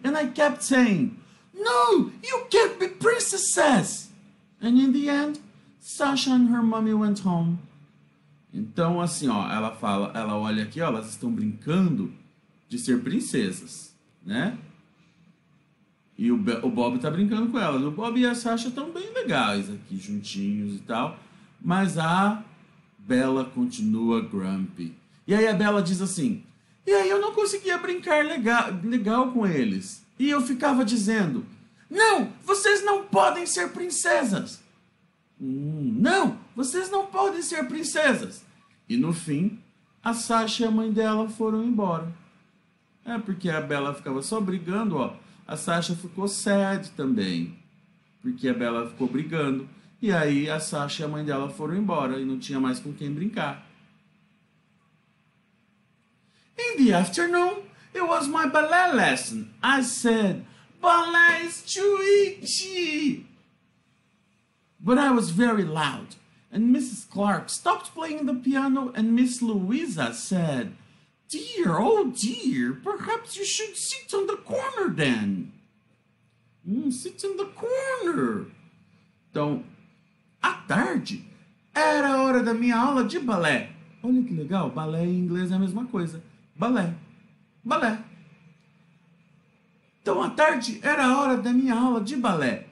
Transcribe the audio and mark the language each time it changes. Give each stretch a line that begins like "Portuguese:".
English: And I kept saying, no, you can't be princesses. And in the end, Sasha and her mommy went home.
Portuguese: Então, assim, ó, ela fala, ela olha aqui, ó, elas estão brincando de ser princesas, né? E o Bob tá brincando com elas. O Bob e a Sasha estão bem legais aqui, juntinhos e tal. Mas a Bella continua grumpy. E aí a Bella diz assim, e aí eu não conseguia brincar legal com eles. E eu ficava dizendo, não, vocês não podem ser princesas. Não, vocês não podem ser princesas. E no fim, a Sasha e a mãe dela foram embora. É porque a Bella ficava só brigando, ó. A Sasha ficou sad também. Porque a Bella ficou brigando. E aí a Sasha e a mãe dela foram embora. E não tinha mais com quem brincar.
English: In the afternoon, it was my ballet lesson. I said, ballet is too itchy. But I was very loud. And Mrs. Clark stopped playing the piano and Miss Louisa said, dear, oh dear, perhaps you should sit on the corner then. Sit in the corner.
Portuguese: Então, à tarde, era a hora da minha aula de balé. Olha que legal, balé em inglês é a mesma coisa. Balé, balé. Então, à tarde, era a hora da minha aula de balé.